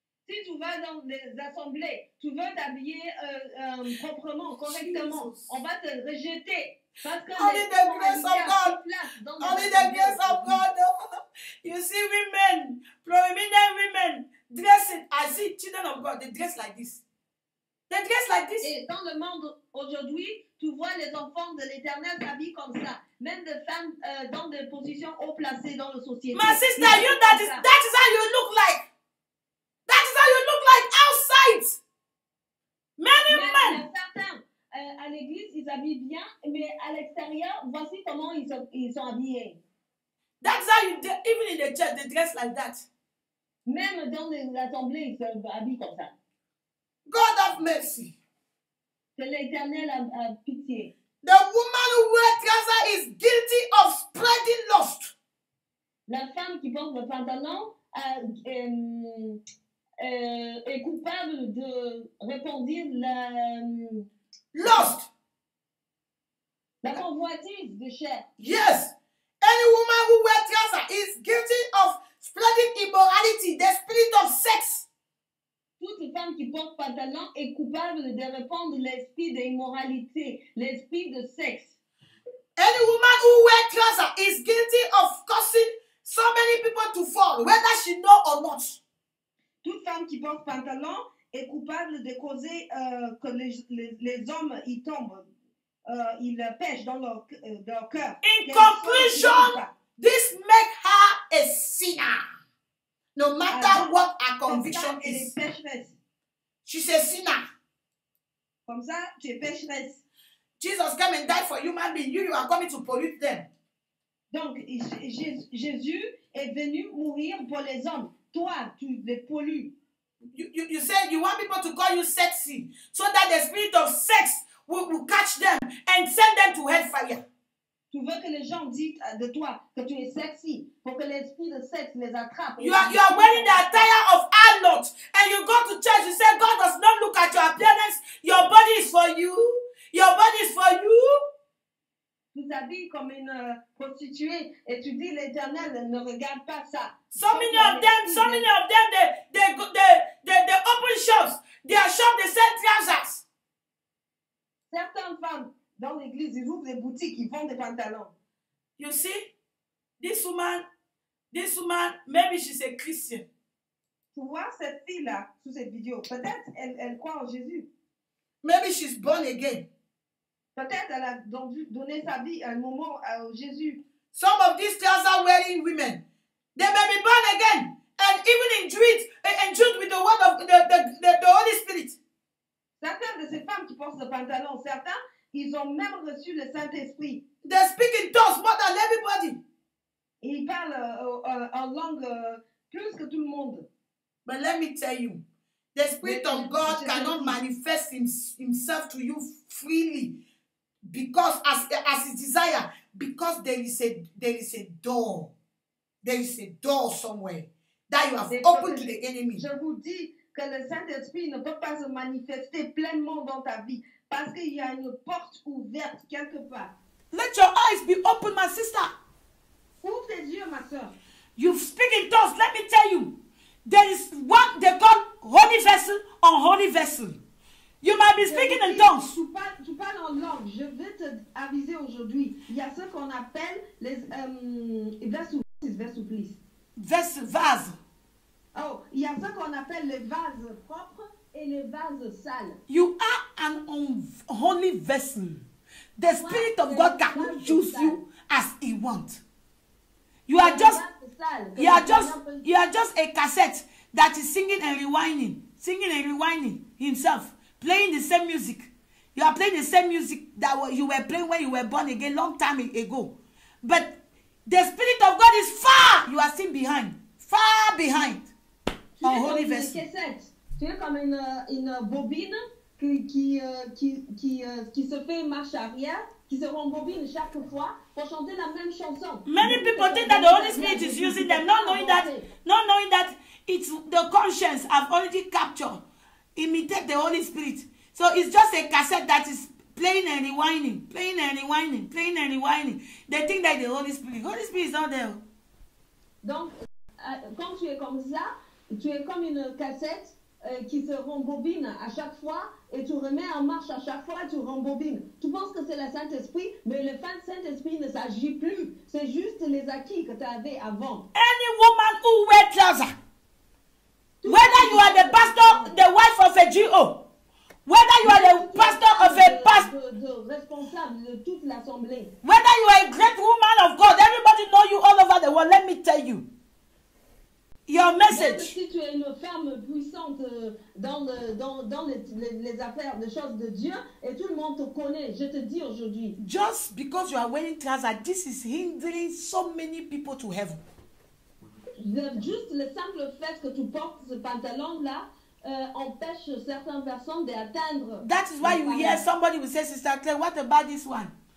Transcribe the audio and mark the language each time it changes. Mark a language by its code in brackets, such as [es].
[fr] Si tu vas dans les assemblées, tu veux t'habiller proprement, correctement, Jesus. On va te rejeter. [en] Only the grace of God. Only the grace of God. You see women, prominent women, dressing as if children of God. They dress like this. They dress like this. [fr] Et dans le monde aujourd'hui, tu vois les enfants de l'Éternel s'habiller comme ça. Même des femmes dans des positions haut placées dans la société. [en] My sister, you that is how you look like. That is how you look like outside. Many men. [fr] À l'église, ils habillent bien, mais à l'extérieur, voici comment ils sont habillés. [en] That's how you even in the church they dress like that. [fr] Même dans les assemblées, ils se habillent comme ça. [en] God have mercy. [fr] Que l'Éternel a pitié. [en] The woman who wears trousers is guilty of spreading lust. [fr] La femme qui porte le pantalon est coupable de répandre la [en] lust. [fr] La convoitise de chair. [en] Yes. Any woman who wears trousers is guilty of spreading immorality, the spirit of sex. [fr] Toute femme qui porte pantalon est coupable de répandre l'esprit d'immoralité, l'esprit de sexe. [en] Any woman who wears trousers is guilty of causing so many people to fall, whether she know or not. [fr] Toute femme qui porte pantalon est coupable de causer que les hommes y tombent, ils pêchent dans leur cœur. [en] In conclusion, this make her a sinner. No matter what her conviction is, she's a sinner. [fr] Comme ça, tu es pécheresse. [en] Jesus came and died for human beings. You are coming to pollute them. [fr] Donc, Jésus est venu mourir pour les hommes. Toi, tu les pollues. [en] You say you want people to call you sexy so that the spirit of sex will catch them and send them to hellfire. [fr] Tu veux que les gens disent de toi que tu es sexy pour que l'esprit de sexe les attrape. [en] You are wearing the attire of harlot and you go to church. You say God does not look at your appearance. Your body is for you. Your body is for you. [fr] Tu t'habilles comme une prostituée et tu dis l'Éternel ne regarde pas ça. [en] So many of them, they open shops. Their shop they sell trousers. [fr] Certaines femmes dans l'église, ils ouvrent des boutiques, ils vendent des pantalons. [en] You see, this woman, maybe she's a Christian. [fr] Tu vois cette fille-là, sous cette vidéo, peut-être elle croit en Jésus. [en] Maybe she's born again. [fr] Peut-être elle a donné sa vie à un moment à Jésus. [en] Some of these girls are wearing women. They may be born again, and even endued with the word of the Holy Spirit. [fr] Certaines de ces femmes qui portent des pantalons, certains, ils ont même reçu le Saint-Esprit. [en] They speak in tongues more than everybody. [fr] Ils parlent en langue plus que tout le monde. [en] But let me tell you, the Spirit of God cannot manifest himself to you freely because as his desire, because there is a door. There is a door somewhere that you have opened to the enemy. [fr] Je vous dis que le Saint-Esprit ne peut pas se manifester pleinement dans ta vie. Parce qu'il y a une porte ouverte quelque part. [en] Let your eyes be open, my sister. [fr] Ouvre tes yeux, ma soeur. [en] You speak in tongues. Let me tell you. There is what they call holy vessel on holy vessel. You might be speaking in tongues. [fr] Tu parles en langue. Je vais te aviser aujourd'hui. Il y a ce qu'on appelle les vessels. Vessel, vase. Il y a ce qu'on appelle le vase propre et le vase sale. [en] You are an holy vessel. The Spirit of God can use you as He wants. You are just a cassette that is singing and rewinding himself, playing the same music. You are playing the same music that you were playing when you were born again long time ago. But the Spirit of God is far. You are still behind. Far behind. [fr] Tu es comme une cassette. Tu es comme une bobine qui se fait marche arrière, qui se rembobine chaque fois pour chanter la même chanson. [en] Many people think that the Holy Spirit is using them, not knowing that it's the conscience have already captured, imitate the Holy Spirit. So it's just a cassette that is playing and rewinding. They think that the Holy Spirit. Holy Spirit is not there. [fr] Donc, quand tu es comme ça, tu es comme une cassette qui se rembobine à chaque fois et tu remets en marche à chaque fois, tu rembobines. Tu penses que c'est le Saint-Esprit, mais le Saint-Esprit ne s'agit plus. C'est juste les acquis que tu avais avant. [en] Any woman who wears trousers, whether you are the pastor, the wife of a GO, whether you are the pastor of a pastor, [fr] de responsable de toute l'assemblée, [en] whether you are a great woman of God, everybody know you all over the world, let me tell you. Your message. [fr] Même si tu es une femme puissante dans les affaires, les choses de Dieu, et tout le monde te connaît, je te dis aujourd'hui. [en] Just because you are wearing trousers, this is hindering so many people to heaven. [fr] Juste le simple fait que tu portes ce pantalon là empêche certaines personnes d'atteindre. [en] That is why you hear somebody will say, Sister Claire, what about this one?